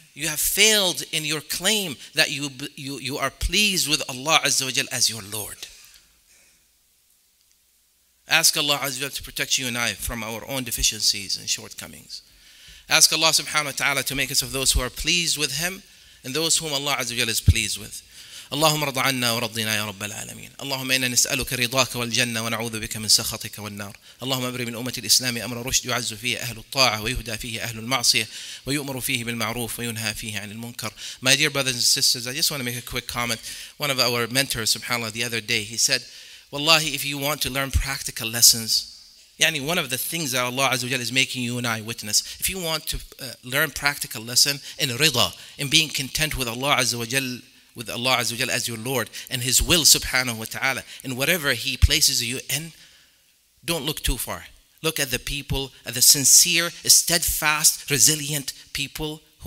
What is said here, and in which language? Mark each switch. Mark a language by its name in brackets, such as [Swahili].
[English] You have failed in your claim that you are pleased with Allah Azza wa Jal as your Lord. Ask Allah Azza wa Jal to protect you and I from our own deficiencies and shortcomings. Ask Allah subhanahu wa ta'ala to make us of those who are pleased with Him and those whom Allah Azza wa Jal is pleased with. [Arabic] اللهم رضى عنا ورضينا يا رب العالمين اللهم إنا نسألك رضاك والجنة ونعوذ بك من سخطك والنار اللهم أبرئ من أمة الإسلام أمر رشد يعز فيه أهل الطاعة ويهدى فيه أهل المعصية ويؤمر فيه بالمعروف وينهى فيه عن المنكر. [English] My dear brothers and sisters, I just want to make a quick comment. One of our mentors, subhanAllah, the other day, he said, wallahi, if you want to learn practical lessons, yani one of the things that Allah Azza wa Jalla is making you and I witness, if you want to learn practical lesson in rida, in being content with Allah Azza wa Jalla, with Allah Azza wa Jalla as your Lord and His will subhanahu wa ta'ala and whatever He places you in, don't look too far. Look at the people, at the sincere, steadfast, resilient people who